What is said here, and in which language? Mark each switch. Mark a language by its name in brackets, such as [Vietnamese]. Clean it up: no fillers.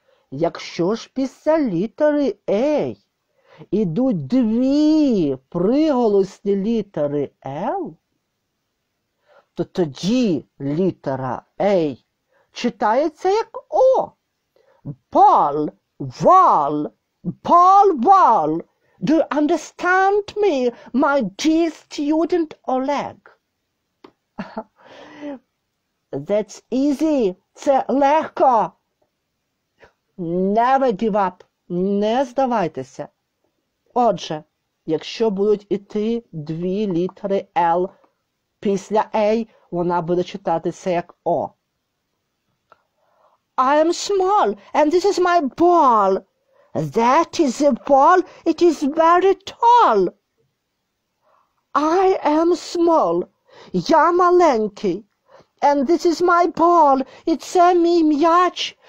[Ukrainian] Якщо ж після літери A йдуть дві приголосні літери L, то тоді літера A читається як O. [English] Ball, wall, ball, wall. Do you understand me, my dear student Oleg? That's easy. [Ukrainian] Це легко. [English] Never give up. [Ukrainian] Не здавайтеся. Отже, якщо будуть іти дві літери L після A, вона буде читатися як O. [English] I am small and this is my ball. That is a ball. It is very tall. I am small. [Ukrainian] Я маленький. [English] And this is my ball. It's a [Ukrainian] мій м'яч.